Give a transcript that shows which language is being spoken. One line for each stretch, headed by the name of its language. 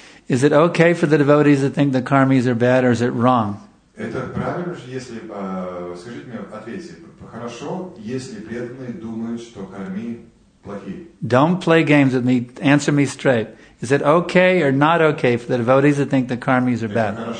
English: Is it okay for the devotees to think the karmis are bad or is it wrong?
Russian: Это правильно, если, скажите мне, ответьте, хорошо, если преданные думают, что карми
English: Don't play games with me. Answer me straight. Is it okay or not okay for the devotees to think the karmis are bad?